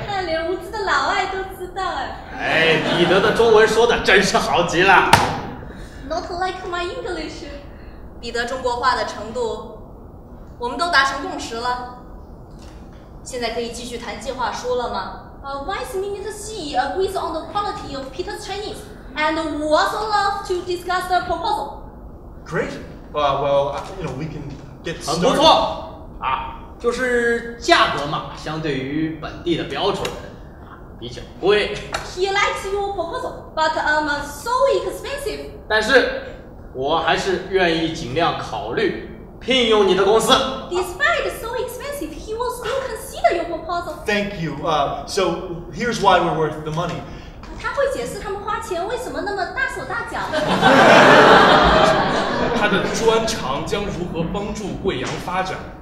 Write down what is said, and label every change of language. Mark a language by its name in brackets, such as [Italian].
[Chinese] 看连无知的老外都知道啊。哎，彼得的中文说的真是好极了。 [English] Not like my English. [Chinese] 彼得中国话的程度，我们都达成共识了。现在可以继续谈计划书了吗？ [English] Vice Minister Xi agrees on the quality of Peter's Chinese and would also love to discuss the proposal. Great. We can get started. [Chinese] 很不错啊，就是价格嘛，相对于本地的标准比较贵。 [English] He likes your proposal, but so expensive. [Chinese] 但是我还是愿意尽量考虑聘用你的公司。 [English] Despite so expensive, he will still consider your proposal. Thank you. So here's why we're worth the money. [Chinese] 他会解释他们花钱为什么那么大手大脚。他的专长将如何帮助贵阳发展？